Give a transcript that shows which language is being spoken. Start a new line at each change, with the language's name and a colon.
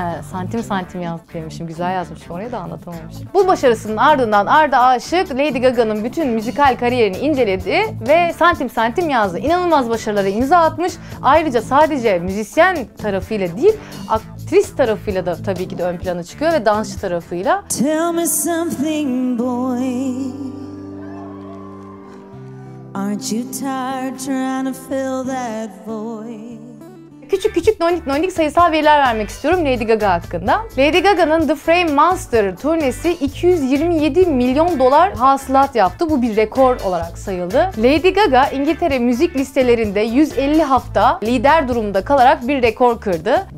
Turkish: Santim santim yazdık demişim, güzel yazmış, orayı da anlatamamışım. Bu başarısının ardından Arda Aşık Lady Gaga'nın bütün müzikal kariyerini inceledi ve santim santim yazdı. İnanılmaz başarılara imza atmış. Ayrıca sadece müzisyen tarafıyla değil, aktris tarafıyla da tabii ki de ön plana çıkıyor ve dansçı tarafıyla.
English: Tell me something boy, aren't you tired trying to fill that void?
Turkish: Küçük küçük nonik nonik sayısal veriler vermek istiyorum Lady Gaga hakkında. Lady Gaga'nın The Frame Monster turnesi 227 milyon dolar hasılat yaptı. Bu bir rekor olarak sayıldı. Lady Gaga İngiltere müzik listelerinde 150 hafta lider durumda kalarak bir rekor kırdı.